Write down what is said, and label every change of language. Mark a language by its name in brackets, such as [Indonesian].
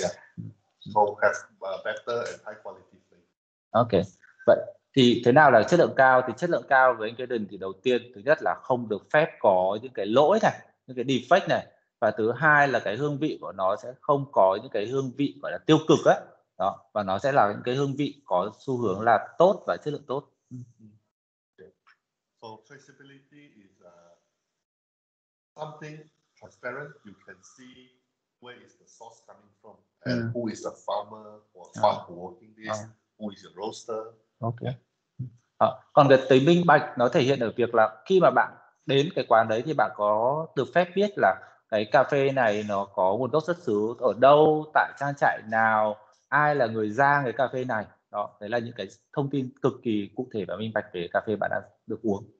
[English] Yeah. So has better and high quality flavor. Okay. But [Vietnamese] Thì thế nào là chất lượng cao? Thì chất lượng cao với anh Jordan thì đầu tiên, thứ nhất là không được phép có những cái lỗi này, những cái defect này, và thứ hai là cái hương vị của nó sẽ không có những cái hương vị gọi là tiêu cực ấy. Đó, và nó sẽ là những cái hương vị có xu hướng là tốt và chất lượng tốt. [English] So flexibility is something transparent. You can see where is the source coming from and who is the farmer or farm who working this, who is the roaster. [Vietnamese] Còn cái tính minh bạch nó thể hiện ở việc là khi mà bạn đến cái quán đấy thì bạn có được phép biết là cái cà phê này nó có nguồn gốc xuất xứ ở đâu, tại trang trại nào, ai là người rang cái cà phê này. Đó, đấy là những cái thông tin cực kỳ cụ thể và minh bạch về cà phê bạn đang được uống.